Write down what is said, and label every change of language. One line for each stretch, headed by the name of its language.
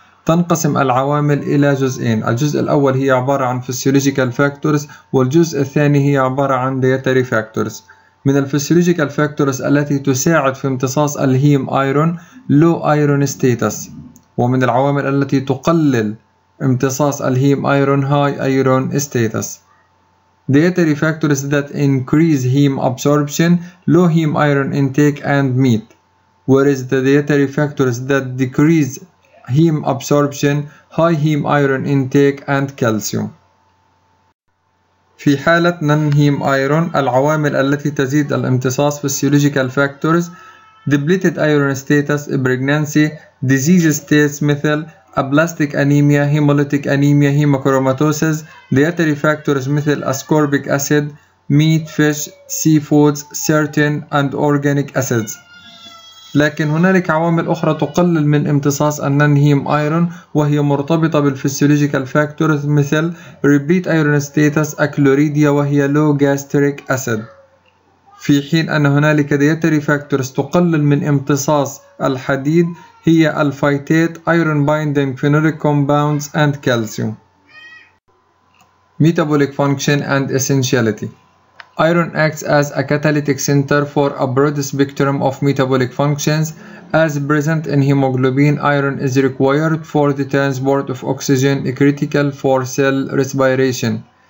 Arabic: تنقسم العوامل إلى جزئين، الجزء الأول هي عبارة عن physiological factors، والجزء الثاني هي عبارة عن dietary factors. من physiological factors التي تساعد في امتصاص الهيم ايرون
English: low iron status،
Arabic: ومن العوامل التي تقلل امتصاص الهيم ايرون
English: high iron status. Dietary factors that increase heme absorption: low heme iron intake and meat. Whereas the dietary factors that decrease heme absorption: high heme iron intake and calcium.
Arabic: في حالة non-heme iron، العوامل التي تزيد الامتصاص
English: physiological factors: depleted iron status, pregnancy, disease states
Arabic: مثل ابلاستيك انيميا، هيمولوتيك انيميا، هيموكروماتوسيس.
English: dietary factors
Arabic: مثل
English: Ascorbic acid, meat, fish, seafoods, certain and organic acids.
Arabic: لكن هنالك عوامل اخرى تقلل من امتصاص النون هيم ايرون، وهي مرتبطه بالفيسيولوجيكال فاكتورز مثل ريبيت ايرون ستاتس، اكلوريديا، وهي لو جاستريك اسيد. في حين ان هنالك دياتري فاكتورز تقلل من امتصاص الحديد هي الفايتات
English: iron binding phenolic compounds and calcium. Metabolic function and essentiality. Iron acts as a catalytic center for a broad spectrum of metabolic functions. As present in hemoglobin, iron is required for the transport of oxygen, critical for cell respiration.